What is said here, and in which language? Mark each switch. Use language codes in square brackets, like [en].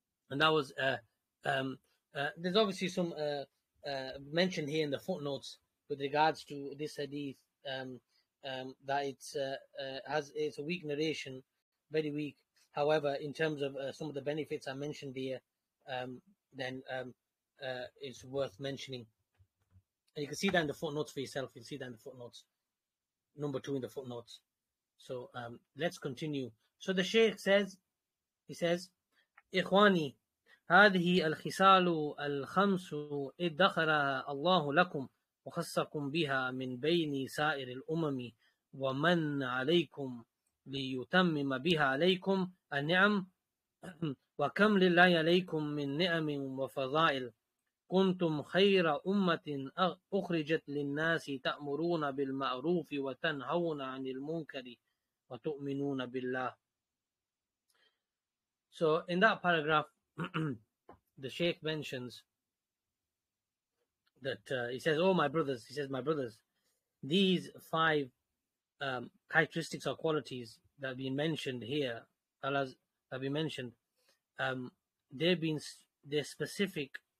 [en] And that was there's obviously some mention here in the footnotes with regards to this hadith, that it's a weak narration, very weak. However, in terms of some of the benefits I mentioned here, then it's worth mentioning. And you can see that in the footnotes for yourself. You can see that in the footnotes, number 2 in the footnotes. So let's continue. So the Shaykh says, he says, [ar] "Ikhwani, هذه الخصال الخمس ادخرها الله لكم وخصكم بها من بين سائر الأمم ومن عليكم ليتمم بها عليكم النعم وكم لله عليكم من نعم وفضائل كنتم خير أمة أخرجت للناس تأمرون بالمعروف وتنهون عن المنكر وتؤمنون بالله." [en] So in that paragraph, the Shaykh mentions that he says, "Oh, my brothers," he says, "my brothers, these five characteristics or qualities that have been mentioned here, Allah's have been mentioned, they're specific